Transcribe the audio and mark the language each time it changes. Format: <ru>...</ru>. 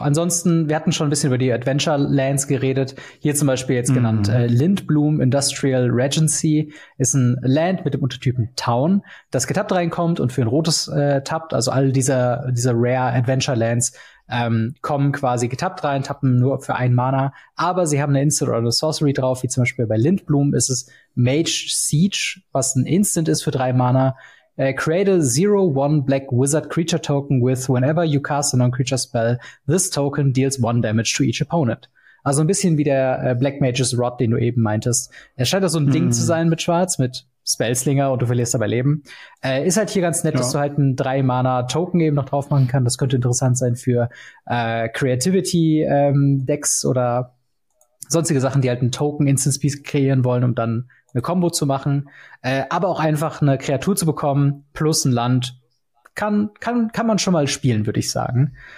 <de>Ansonsten, wir hatten schon ein bisschen über die Adventure-Lands geredet. Hier zum Beispiel jetzt genannt Lindblum Industrial Regency ist ein Land mit dem Untertypen Town, das getappt reinkommt und für ein rotes tappt. Also all diese Rare-Adventure-Lands kommen quasi getappt rein, tappen nur für ein Mana. Aber sie haben eine Instant oder eine Sorcery drauf. Wie zum Beispiel bei Lindblum ist es Mage Siege, was ein Instant ist für drei Mana.</de> <en>Create a 0/1 black wizard creature token with whenever you cast a non-creature spell, this token deals one damage to each opponent.</en> <de>Also ein bisschen wie der Black Mage's Rod, den du eben meintest. Er scheint da so ein Ding zu sein mit Schwarz, mit Spellslinger und du verlierst dabei Leben. Ist halt hier ganz nett, dass du halt einen 3-Mana-Token eben noch drauf machen kannst. Das könnte interessant sein für Creativity-Decks oder sonstige Sachen, die halt einen Token Instance Piece kreieren wollen, um dann eine Combo zu machen, aber auch einfach eine Kreatur zu bekommen plus ein Land kann man schon mal spielen, würde ich sagen.</de>